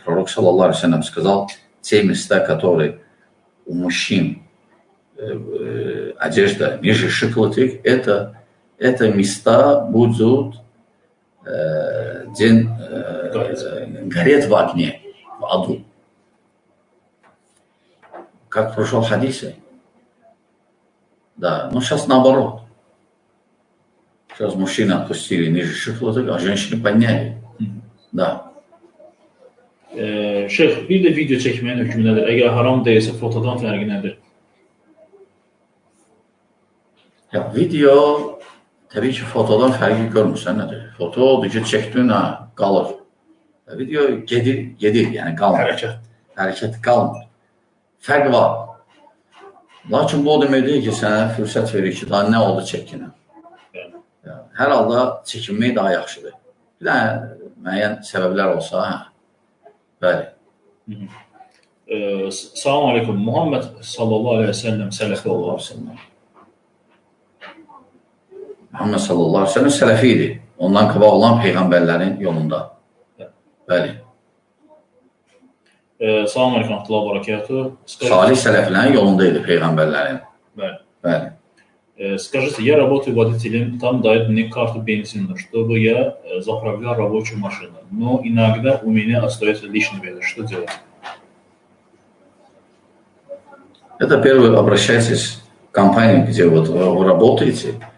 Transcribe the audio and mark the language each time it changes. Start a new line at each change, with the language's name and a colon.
Russian: Пророк, саллаллаху алейхи ва саллям, сказал... Те места, которые у мужчин одежда ниже шиколоток, это места будут гореть в огне, в аду. Как прошел хадис. Да, но сейчас наоборот. Сейчас мужчины опустили ниже шиколоток, а женщины подняли. Да.
Azerbaijani: Şeyx, bir də video çəkməyin hökmü nədir? Əgər haram deyilsə, fotodan fərqi nədir? Ya, video, təbii ki, fotodan fərqi görmürsən nədir? Foto oldu ki, çəkdün, ha, qalır. Video gedir, yəni qalmır. Hərəkət. Hərəkət qalmır. Fərq var. Lakin bu o deməkdir ki, sənə fürsət verir ki, daha nə oldu çəkinə? Hər halda çəkinmək daha yaxşıdır. Bir də müəyyən səbəblər olsa, hə. Bəli. Salam aleykum. Muhammed sallallahu aleyhi ve sellem sələfi olar sənlər. Muhammed sallallahu aleyhi ve sellem sələfi idi. Ondan qabaq olan peyğəmbərlərin yolunda. Bəli. Salam aleykum. Allah barakatı. Salih sələflərin yolunda idi peyğəmbərlərin. Bəli. Bəli.
Russian: Скажите, я работаю водителем, там дают мне карту бензина, чтобы я заправлял рабочую машину. Но иногда у меня остается лишний бензин. Что делать? Это первое, обращайтесь к компании, где вот вы работаете.